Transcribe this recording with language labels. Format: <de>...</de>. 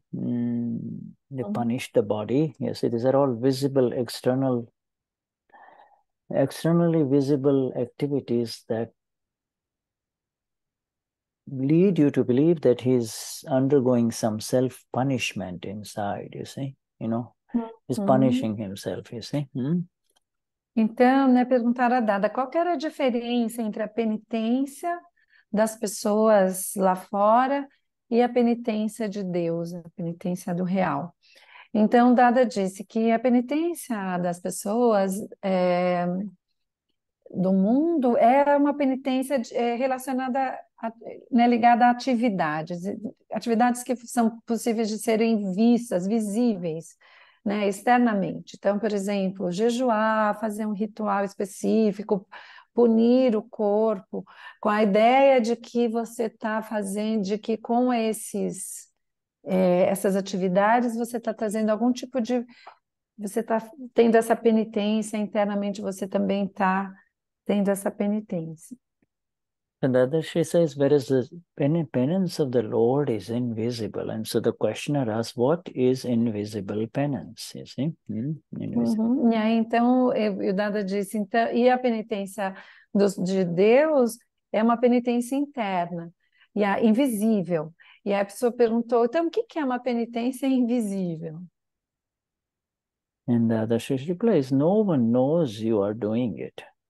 <en>They punish the body, you see. These are all visible, externally visible activities that lead you to believe that he's undergoing some self-punishment inside, you see, you know, he's punishing himself, you see.</en> <pt>Então, né, perguntaram a Dada, qual que era a diferença entre a penitência das pessoas lá fora e a penitência de Deus, a penitência do real? Então, Dada disse que a penitência das pessoas do mundo era uma penitência relacionada né, ligada a atividades que são possíveis de serem vistas, visíveis, né, externamente. Então, por exemplo, jejuar, fazer um ritual específico, punir o corpo, com a ideia de que você está fazendo, de que com essas atividades você está trazendo algum tipo de... Você está tendo essa penitência internamente, você também está tendo essa penitência.</pt> <en>And the other, she says, whereas the penance of the Lord is invisible. And so the questioner asks, what is invisible penance? You see? Invisible.</en> <pt>Uhum. E aí, então, o Dada disse, então, e a penitência de Deus é uma penitência interna, e a invisível. E aí a pessoa perguntou, então, o que é uma penitência invisível?</pt> <en>And the other, she replies, no one knows you are doing it.</en>